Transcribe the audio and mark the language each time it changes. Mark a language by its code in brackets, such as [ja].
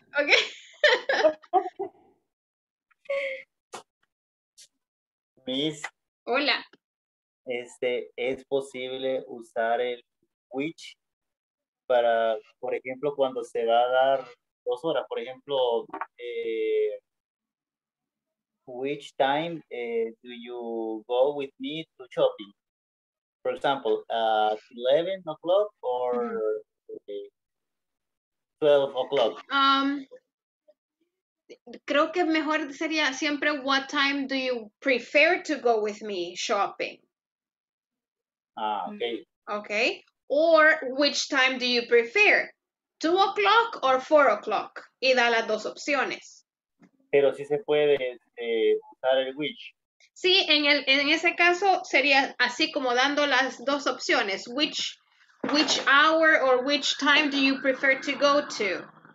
[es] una duda. vaya, ok. [en] Miss, [es] Hola. ¿es posible usar el switch para, por ejemplo, cuando se va a dar 2 horas? Por ejemplo, [en] which time do you go with me to shopping? For example, at 11 o'clock or 12 o'clock. [es] Creo que mejor sería siempre [en] what time do you prefer to go with me shopping? Ah, okay. Okay. Or which time do you prefer? 2 o'clock or 4 o'clock? [es] Y da las dos opciones. Pero sí se puede usar el which. Sí, en ese caso sería así como dando las dos opciones. [en] Which hour or which time do you prefer to go to?